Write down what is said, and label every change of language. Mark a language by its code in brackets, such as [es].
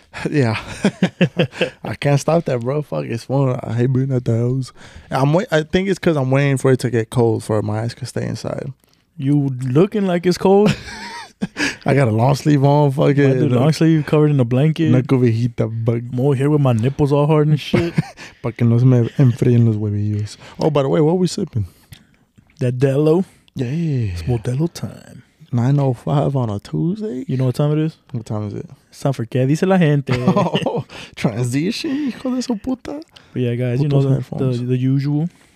[en] Yeah. I can't stop that, bro. Fuck, it's fun. I hate being at the house. I think it's because I'm waiting for it to get cold for my eyes to stay inside. You looking like it's cold? I got a long sleeve on. Fuck it. Long sleeve covered in a blanket. [es] No cobijita, [en] but I'm over here with my nipples all hard and shit. [es] Pa que no se me enfríen los huevillos. [en] Oh, by the way, what are we sipping? That Delo. Yeah. It's Modelo time. 9:05 on a Tuesday. You know what time it is? What time is it? It's time for [es] ¿Qué dice la gente? Transition, hijo de su puta. [en] But yeah, guys, you know the usual.